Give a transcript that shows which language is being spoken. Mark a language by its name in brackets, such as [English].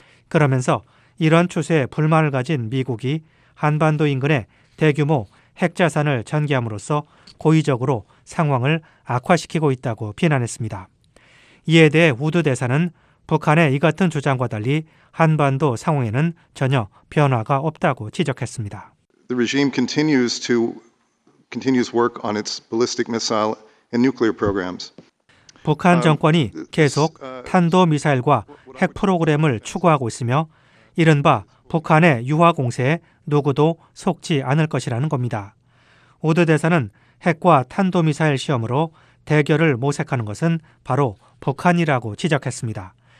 [Korean] 그러면서 이런 추세에 불만을 가진 미국이 한반도 인근에 대규모 핵자산을 전개함으로써 고의적으로 상황을 악화시키고 있다고 비난했습니다. 이에 대해 우드 대사는 북한의 이 같은 주장과 달리 한반도 상황에는 전혀 변화가 없다고 지적했습니다. [English] The regime continues work on its ballistic missile and nuclear programs. [Korean] 북한 정권이 계속 탄도 미사일과 핵 프로그램을 추구하고 있으며 이른바 북한의 유화 공세에 누구도 속지 않을 것이라는 겁니다. 우드 대사는 핵과 탄도 미사일 시험으로 대결을 모색하는 것은 바로 북한이라고 지적했습니다.